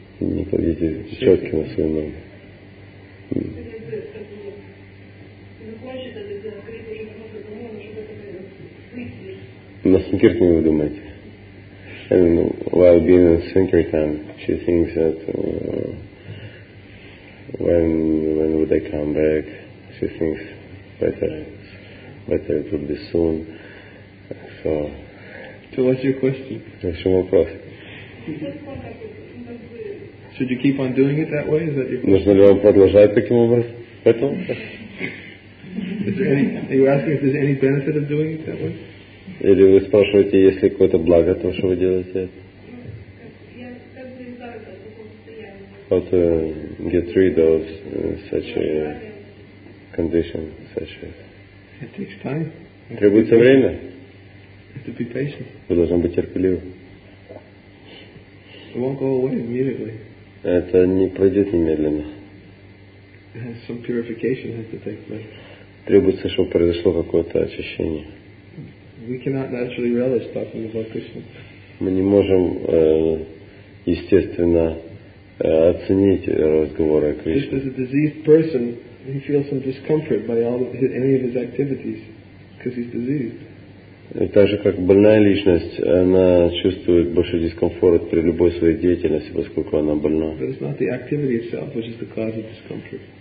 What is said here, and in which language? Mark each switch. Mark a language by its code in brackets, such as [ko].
[ru] Не пойдите четко на свою ногу. На санкиртане вы думаете? [en] And while being in Sankirtan, she thinks that when would I come back? She thinks better it would be soon. So. So what's your question? What's your вопрос? Should you keep on doing it that way? Is that your question? [ru] Нужно ли вам продолжать таким образом? Поэтому. [en] Are you asking if there's any benefit of doing it that way? [ru] Или вы спрашиваете, есть ли какое-то благо от того, что вы делаете это? [en] How to get rid of such a condition, such as... It takes time. [ru] Требуется время. [en] You have to be patient. [ru] Вы должны быть терпеливы. [en] It won't go away immediately. [ru] Это не пройдет немедленно. [en] Some purification has to take place. [ru] Требуется, чтобы произошло какое-то очищение. [en] We cannot naturally relish talking about Krishna. [ru] Мы не можем естественно оценить разговоры о Кришне. [en] This is a diseased person. He feels some discomfort by all of his, any of his activities because he's diseased. [ru] Так же как больная личность, она чувствует больше дискомфорт при любой своей деятельности, поскольку она больна. [en] But it's not the activity itself which is the cause of discomfort.